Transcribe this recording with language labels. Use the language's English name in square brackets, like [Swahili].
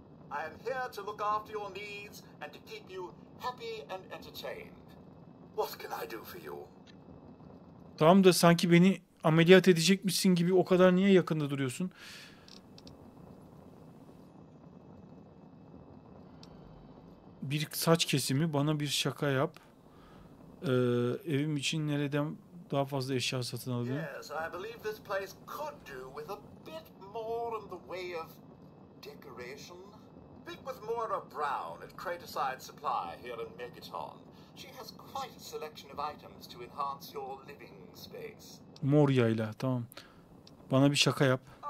[English] I am here to look after your needs and to keep you happy and entertained. What can I do for you? [Turkish] Tamam da sanki beni ameliyat edecekmişsin gibi o kadar niye yakında duruyorsun? Bir saç kesimi, bana bir şaka yap. Evim için nereden daha fazla eşya satın alayım? [English] Yes, I believe this place could do with a bit more in the way of decoration. Speak with Moira Brown at Craterside Supply here in Megaton. She has quite a selection of items to enhance your living space. [Turkish] Moria'yla, tamam. Bana bir şaka yap.